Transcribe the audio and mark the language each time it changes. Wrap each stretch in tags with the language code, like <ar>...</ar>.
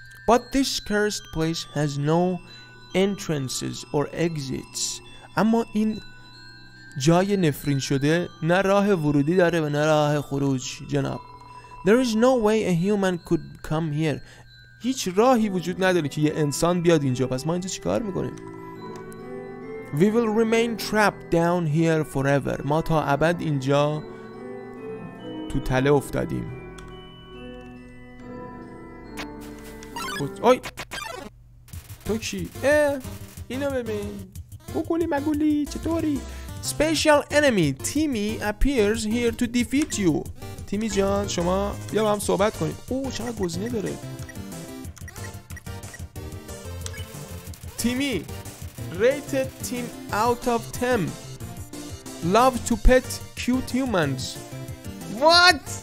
<en>But this cursed place has no entrances or exits.</en> <fa>اما این جای نفرین شده نه راه ورودی داره و نه راه خروج جناب.</fa> <en>There is no way a human could come here.</en> <fa>هیچ راهی وجود نداره که یه انسان بیاد اینجا. پس ما اینجا چیکار میکنیم؟</fa> <en>We will remain trapped down here forever.</en> <fa>ما تا ابد اینجا تو تله افتادیم. آی تو کی؟ اه اینو ببین گوگولی مگولی چطوری؟</fa> <en>Special enemy Timmy appears here to defeat you.</en> <fa>تیمی جان شما بیا با هم صحبت کنیم. اوه چقدر گزینه داره.</fa> <en>تیمی rated team out of 10. Love to pet cute humans. What?</en>